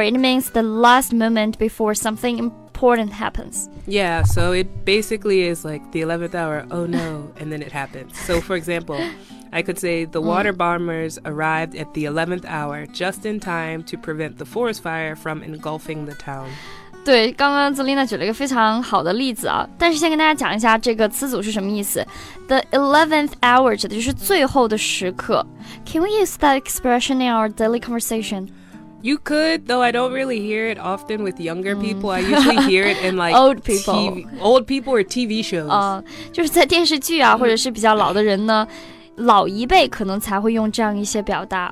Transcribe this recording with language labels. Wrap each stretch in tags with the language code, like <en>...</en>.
<en>It means the last moment before something important happens. Yeah, so it basically is like the 11th hour, oh no, and then it happens. So for example, I could say the water bombers arrived at the 11th hour just in time to prevent the forest fire from engulfing the town.</en> <zh>对，刚刚 Zelina 举了一个非常好的例子啊，但是先跟大家讲一下这个词组是什么意思。</zh> <en>The 11th hour</en> <zh>指的就是最后的时刻。</zh> <en>Can we use that expression in our daily conversation? You could, though I don't really hear it often with younger people. I usually hear it in like old people. Old people or TV shows.</en> <zh>就是在电视剧啊，或者是比较老的人呢，老一辈可能才会用这样一些表达。</zh>